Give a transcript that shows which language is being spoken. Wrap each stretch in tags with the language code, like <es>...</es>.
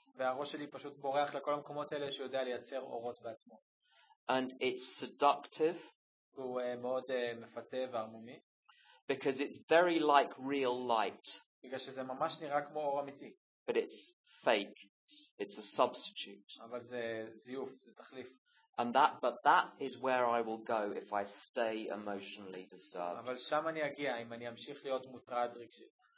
<he>והראש שלי פשוט בורח לכל המקומות האלה שיודע לייצר אורות בעצמו.</he> <en>And it's seductive.</en> <he>הוא מאוד מפתה והרמומי.</he> <en>because it's very like real light.</en> <he>בגלל שזה ממש נראה כמו אור אמיתי.</he> <en>But it's fake. It's a substitute.</en> <he>אבל זה זיוף, זה תחליף.</he> <en>And that, but that is where I will go if I stay emotionally disturbed.</en> <he>אבל שם אני אגיע אם אני אמשיך להיות מוטרד רגשית.</he>